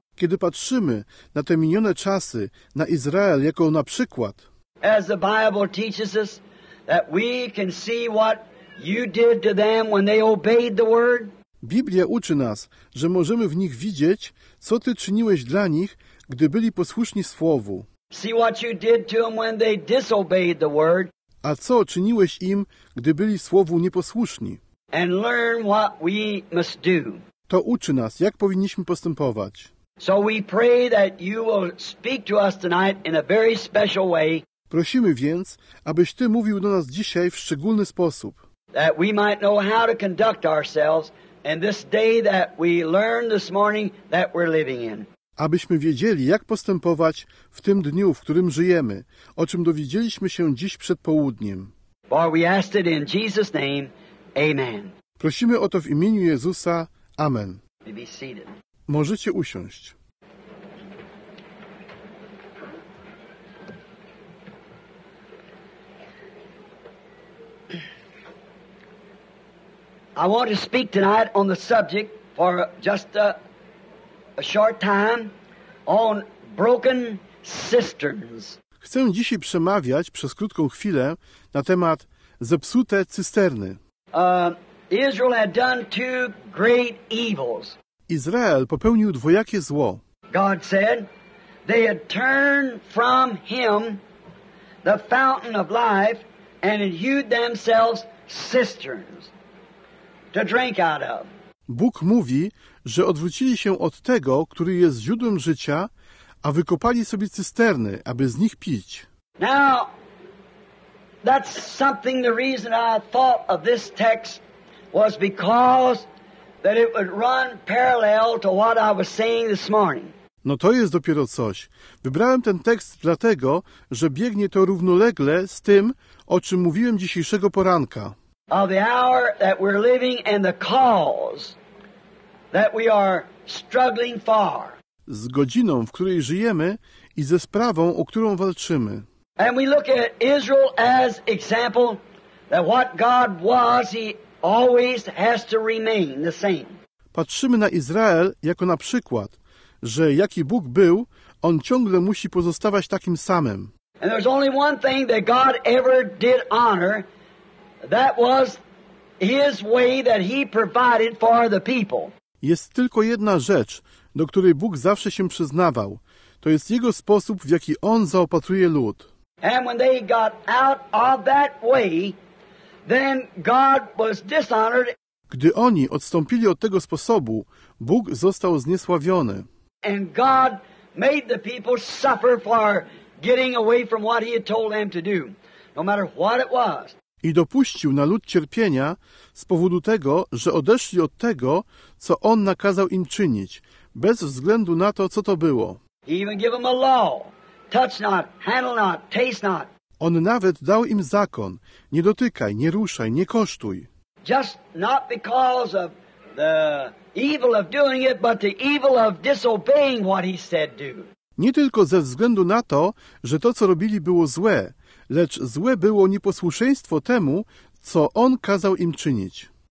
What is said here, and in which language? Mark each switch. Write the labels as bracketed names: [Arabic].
[Polish] Kiedy patrzymy na te minione czasy, na Izrael jako na przykład, [English] as the Bible teaches us that we can see what you did to them when they obeyed the word. [Polish] Biblia uczy nas, że możemy w nich widzieć, co Ty czyniłeś dla nich, gdy byli posłuszni Słowu. [English] See what you did to them when they disobeyed the word. [Polish] A co czyniłeś im, gdy byli Słowu nieposłuszni. [English] And learn what we must do. [Polish] To uczy nas, jak powinniśmy postępować. [English] So we pray that you will speak to us tonight in a very special way. [Polish] Prosimy więc, abyś Ty mówił do nas dzisiaj w szczególny sposób. [English] That we might know how to conduct ourselves in this day that we learn this morning that we're living in. [Polish] Abyśmy wiedzieli, jak postępować w tym dniu, w którym żyjemy, o czym dowiedzieliśmy się dziś przed południem. [English] For we ask it in Jesus' name. Amen. [Polish] Prosimy o to w imieniu Jezusa. Amen. [English] Be seated. [Polish] Możecie usiąść. [English] I want to speak tonight on the subject for just a short time on broken cisterns. [Polish] Chcę dzisiaj przemawiać przez krótką chwilę na temat zepsute cysterny. [English] Israel had done two great evils. [Polish] Izrael popełnił dwojakie zło. [English] God said they had turned from him the fountain of life and had hewed themselves cisterns to drink out of. [Polish] Bóg mówi, że odwrócili się od tego, który jest źródłem życia, a wykopali sobie cysterny, aby z nich pić. [English] Now that's something the reason I thought of this text was because that it would run parallel to what I was saying this morning. [Polish] No to jest dopiero coś. Wybrałem ten tekst dlatego, że biegnie to równolegle z tym, o czym mówiłem dzisiejszego poranka. [English] Of the hour that we're living and the cause that we are struggling for. [Polish] Z godziną, w której żyjemy i ze sprawą, o którą walczymy. [English] And we look at Israel as example that what God was, he always has to remain the same. [Polish] Patrzymy na Izrael jako na przykład, że jaki Bóg był, on ciągle musi pozostawać takim samym. [English] And there's only one thing that God ever did honor, that was his way that he provided for the people. [Polish] Jest tylko jedna rzecz, do której Bóg zawsze się przyznawał. To jest jego sposób, w jaki on zaopatruje lud. [English] And when they got out of that way, then God was dishonored. [Polish] Gdy oni odstąpili od tego sposobu, Bóg został zniesławiony. [English] And God made the people suffer for getting away from what he had told them to do, no matter what it was. [Polish] I dopuścił na lud cierpienia z powodu tego, że odeszli od tego, co on nakazał im czynić, bez względu na to, co to było. [English] He even gave him a law. Touch not, handle not, taste not. [Polish] On nawet dał im zakon. Nie dotykaj, nie ruszaj, nie kosztuj. [English] Just not because of the evil of doing it, but the evil of disobeying what he said do. [Polish] Nie tylko ze względu na to, że to, co robili, było złe, lecz złe było nieposłuszeństwo temu, co on kazał im czynić.